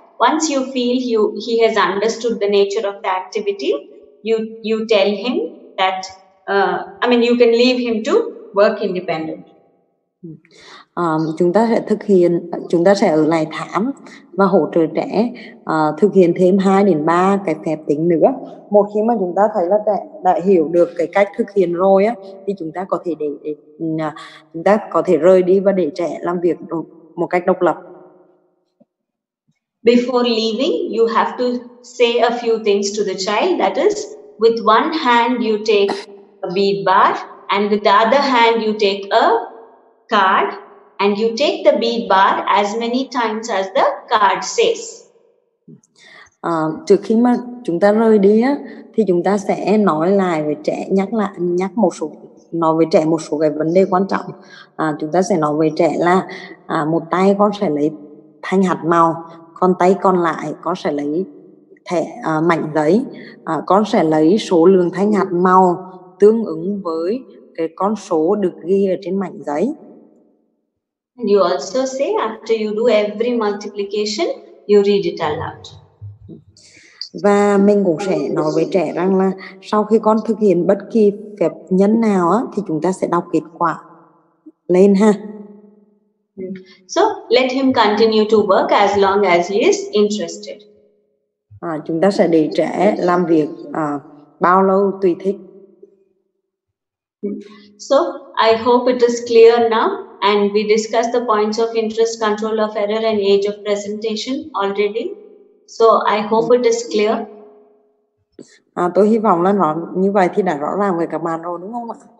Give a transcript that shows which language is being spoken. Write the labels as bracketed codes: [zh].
[en] Once you feel he has understood the nature of the activity, you tell him that, you can leave him to work independently. [vi] Chúng ta sẽ thực hiện, chúng ta sẽ ở lại thảm và hỗ trợ trẻ thực hiện thêm 2 đến 3 cái phép tính nữa. Một khi mà chúng ta thấy là trẻ đã hiểu được cái cách thực hiện rồi á, thì chúng ta có thể chúng ta có thể rời đi và để trẻ làm việc một cách độc lập. [en] Before leaving, you have to say a few things to the child. That is, with one hand you take a bead bar and with the other hand you take a card and you take the bead bar as many times as the card says. [vi] Trước khi mà chúng ta rời đi á, thì chúng ta sẽ nói lại với trẻ, nhắc một số, nói với trẻ một số cái vấn đề quan trọng. Chúng ta sẽ nói với trẻ là một tay con sẽ lấy thanh hạt màu, còn tay còn lại con sẽ lấy thẻ mảnh giấy. Con sẽ lấy số lượng thanh hạt màu tương ứng với cái con số được ghi ở trên mảnh giấy. [en] And you also say after you do every multiplication, you read it aloud. [vi] Và mình cũng sẽ nói với trẻ rằng là sau khi con thực hiện bất kỳ phép nhân nào á, thì chúng ta sẽ đọc kết quả lên ha. [en] So let him continue to work as long as he is interested. [vi] Chúng ta sẽ để trẻ làm việc bao lâu tùy thích. [en] So I hope it is clear now. And we discussed the points of interest, control of error, and age of presentation already. So I hope it is clear. [vi] Tôi hy vọng là nó như vậy thì đã rõ ràng với các bạn rồi đúng không ạ?